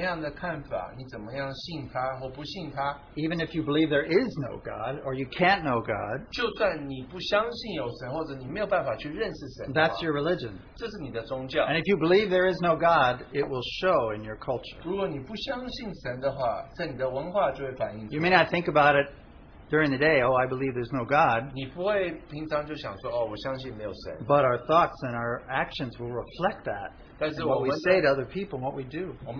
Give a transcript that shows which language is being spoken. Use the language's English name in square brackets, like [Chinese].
[Chinese] 所以当你想到宗教是你对神是怎么样的看法，你怎么样信他或不信他。 [English] Even if you believe there is no God or you can't know God, [Chinese] 就算你不相信有神或者你没有办法去认识神, [English] that's your religion. [Chinese] 这是你的宗教。 [English] And if you believe there is no God, it will show in your culture. [Chinese] 如果你不相信神的话, 在你的文化就会反映出来。 [English] You may not think about it during the day, oh, I believe there's no God. [Chinese] 你不会平常就想说, 哦, 我相信没有神。 [English] But our thoughts and our actions will reflect that. What we say to other people and what we do.